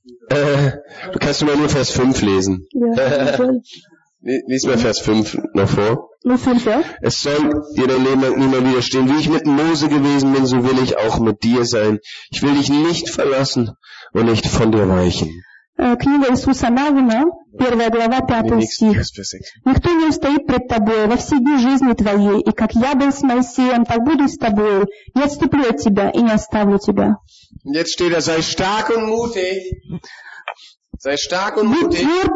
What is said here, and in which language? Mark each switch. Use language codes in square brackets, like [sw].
[de] Du kannst mal nur Vers 5 lesen. Ja, lies mal Vers 5 noch vor. Vers 5, ja. Es soll dir dein Leben lang niemand widerstehen. Wie ich mit Mose gewesen bin, so will ich auch mit dir sein. Ich will dich nicht verlassen und nicht von dir weichen. [ru] Книга Иисуса Навина, 1 глава, 5 стих. Никто не устоит пред тобой во все дни жизни твоей, и как я был с Моисеем, так буду с тобой. Не отступлю от тебя и не оставлю тебя. [de] Jetzt steht er, sei stark und mutig. Sei stark und mutig.